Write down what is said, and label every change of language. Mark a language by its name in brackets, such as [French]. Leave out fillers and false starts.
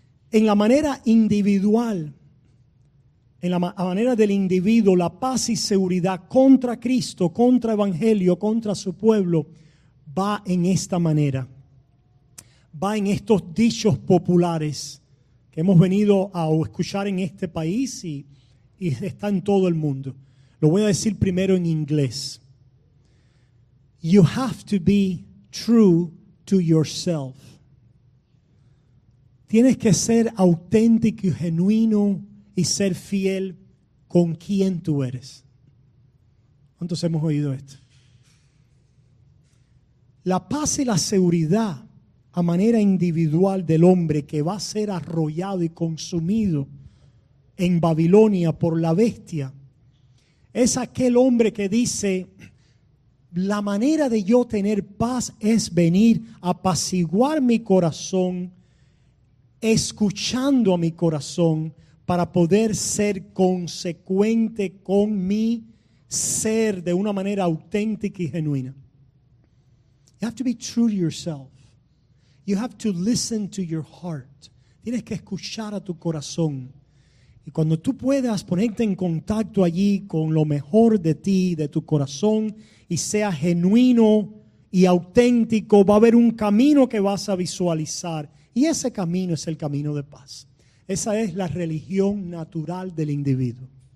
[Spanish] En la manera individual, en la manera del individuo, la paz y seguridad contra Cristo, contra Evangelio, contra su pueblo, va en esta manera. Va en estos dichos populares que hemos venido a escuchar en este país y está en todo el mundo. Lo voy a decir primero en inglés. [English] You have to be true to yourself. [Spanish] Tienes que ser auténtico y genuino y ser fiel con quien tú eres. ¿Cuántos hemos oído esto? La paz y la seguridad a manera individual del hombre que va a ser arrollado y consumido en Babilonia por la bestia es aquel hombre que dice: la manera de yo tener paz es venir a apaciguar mi corazón, escuchando a mi corazón para poder ser consecuente con mi ser de una manera auténtica y genuina. [English] You have to be true to yourself. You have to listen to your heart. [Spanish] Tienes que escuchar a tu corazón. Y cuando tú puedas ponerte en contacto allí con lo mejor de ti, de tu corazón, y sea genuino y auténtico, va a haber un camino que vas a visualizar. Y ese camino es el camino de paz. Esa es la religión natural del individuo.